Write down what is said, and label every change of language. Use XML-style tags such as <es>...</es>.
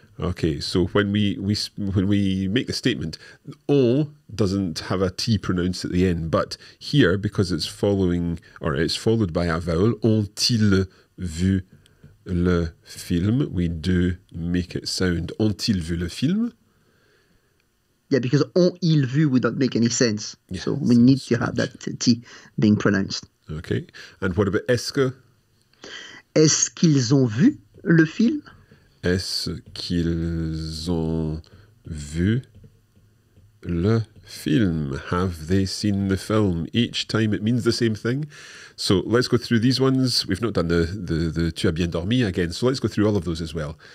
<en>Okay, so when we make the statement, ont doesn't have a T pronounced at the end, but here, because it's following, or it's followed by a vowel,</en> <fr>ont-ils vu le film,</fr> <en>we do make it sound ont-ils vu le film? Yeah, because ont-ils vu would not make any sense. Yeah, so we need strange. To have that T being pronounced. Okay, and what about est-ce que?</en> <fr>Est-ce qu'ils ont vu le film? Est-ce qu'ils ont vu le film?</fr> <en>Have they seen the film? Each time it means the same thing. So let's go through these ones. We've not done the</en> <fr>tu as bien dormi</fr> <en>again. So let's go through all of those as well.</en>